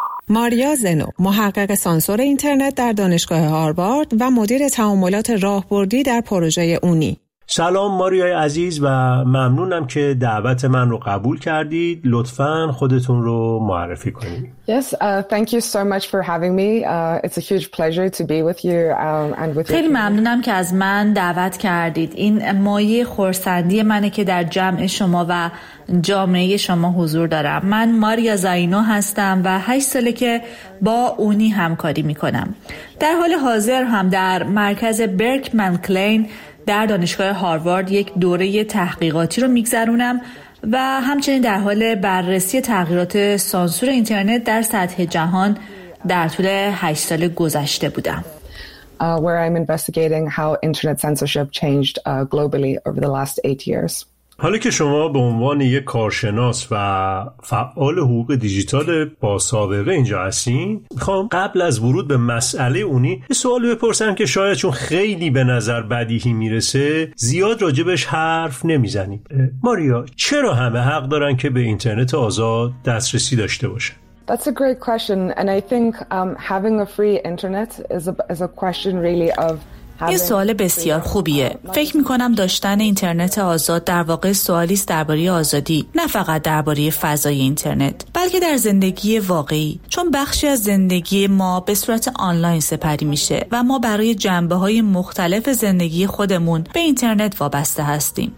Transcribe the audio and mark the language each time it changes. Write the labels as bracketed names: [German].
[Persian] ماریا زنو، محقق سانسور اینترنت در دانشگاه هاروارد و مدیر تعاملات راهبردی در پروژه اونی. سلام ماریای عزیز و ممنونم که دعوت من رو قبول کردید. لطفاً خودتون رو معرفی کنید. [English] Yes, thank you so much for having me. It's a huge pleasure to be with you and with you. [Persian] خیلی ممنونم که از من دعوت کردید. این مایه خرسندی منه که در جمع شما و جامعه شما حضور دارم. من ماریا زاینو هستم و 8 ساله که با اونی همکاری میکنم. در حال حاضر هم در مرکز برکمن کلین در دانشگاه هاروارد یک دوره تحقیقاتی رو میگذرونم و همچنین در حال بررسی تغییرات سانسور اینترنت در سطح جهان در طول 8 سال گذشته بودم. [English] Where I'm investigating how internet censorship changed globally over the last 8 years. [Persian] حالا که شما به عنوان یک کارشناس و فعال حقوق دیجیتال با سابقه اینجا هستین، میخوام قبل از ورود به مسئله اونی یه سوال بپرسم که شاید چون خیلی به نظر بدیهی میرسه زیاد راجبش حرف نمیزنید. ماریا، چرا همه حق دارن که به اینترنت آزاد دسترسی داشته باشن؟ [English] That's a great question and I think having a free internet is a question really of [Persian] یه سوال بسیار خوبیه. فکر میکنم داشتن اینترنت آزاد در واقع سوالی است درباره آزادی، نه فقط درباره فضای اینترنت، بلکه در زندگی واقعی. چون بخشی از زندگی ما به صورت آنلاین سپری میشه و ما برای جنبه‌های مختلف زندگی خودمون به اینترنت وابسته هستیم.